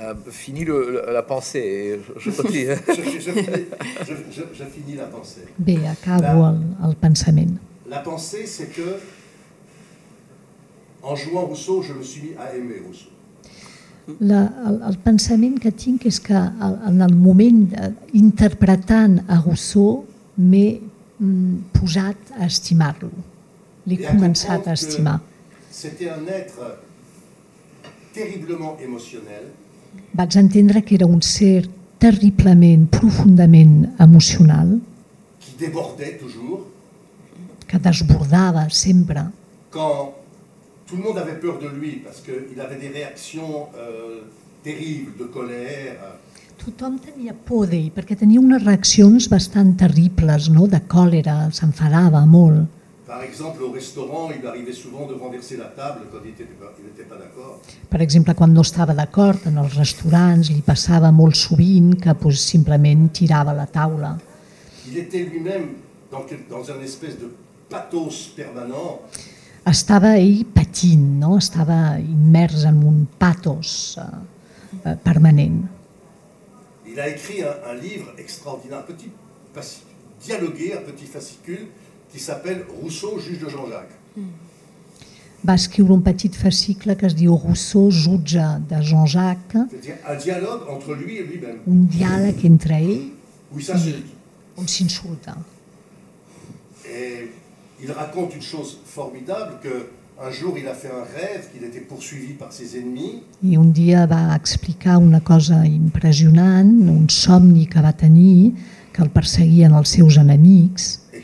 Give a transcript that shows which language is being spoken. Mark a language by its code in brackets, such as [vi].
[fr] Fini la pensée, je peux dire. Je finis la pensée. [ca] Bé, acabo el pensament. [fr] La pensée, c'est que en jouant Rousseau, je me suis mis à aimer Rousseau. [ca] El pensament que tinc és que en el moment interpretant a Rousseau m'he posat a estimar-lo. L'he començat a estimar. [fr] C'était un être terriblement émotionnel. [ca] Vaig entendre que era un ser terriblement, profundament emocional, [fr] qui débordait toujours, [ca] que desbordava sempre. [fr] Quand tout le monde avait peur de lui parce que il avait des réactions terribles de colère. [ca] Tothom tenia por d'ell perquè tenia unes reaccions bastant terribles, no? De còlera, s'enfadava molt. [fr] Par exemple, au restaurant, il arrivait souvent de renverser la table quand il n'était pas d'accord. [ca] Per exemple, quan no estava d'acord en els restaurants, li passava molt sovint que pues, simplement tirava la taula. [fr] Il était lui-même dans un espèce de pathos permanent. [ca] Estava ell patint, no? Estava immers en un pathos permanent. [fr] Il a écrit un livre extraordinaire, petit dialogué, un petit fascicule, qui s'appelle Rousseau, juge de Jean-Jacques. [ca] Va escriure un petit fascicle que es diu Rousseau, jutge de Jean-Jacques. [fr] Un dialogue entre lui et lui-même. [ca] Un diàleg entre ell. [fr] Oui, ça, c'est... [ca] On s'insulta. [fr] Et il raconte une chose formidable, que un jour il a fait un rêve, qu'il était poursuivi par ses ennemis. [ca] I un dia va explicar una cosa impressionant, un somni que va tenir, que el perseguien els seus enemics.